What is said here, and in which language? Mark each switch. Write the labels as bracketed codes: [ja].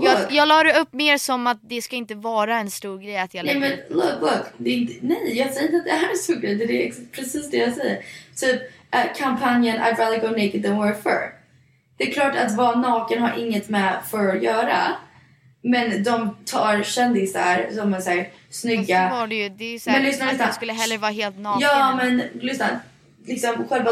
[sv] Jag la det upp mer som att det ska inte vara en stor grej att jag lägger. Nej men look. Jag säger inte att det här är en stor grej. Det är precis det jag säger. Typ kampanjen [en] I'd rather go naked than wear fur. [sv] Det är klart att vara naken har inget med fur att göra. Men de tar kändisar som är såhär snygga. Så var det ju, det är såhär, men lyssna, att jag skulle hellre vara helt naken. Ja men lyssna liksom, själva